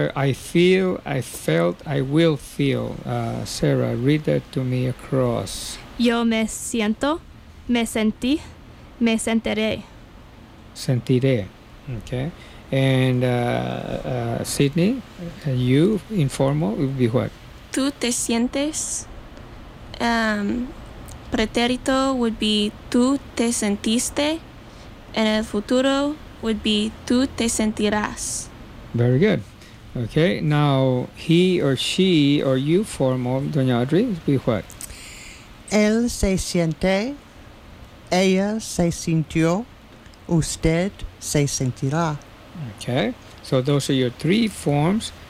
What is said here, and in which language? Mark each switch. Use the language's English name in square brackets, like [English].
[English] I feel, I felt, I will feel. Sarah, read that to me across. [Spanish] Yo me siento, me sentí, me sentiré. Sentiré. [English] Okay, and Sydney, you informal would be what? [Spanish] Tú te sientes. Pretérito would be tú te sentiste, and el futuro would be tú te sentirás. [English] Very good. Okay, now he or she or you formal, Doña Audrey, would be what? [Spanish] Él se siente, ella se sintió. Usted se sentirá. [English] Okay. So those are your three forms.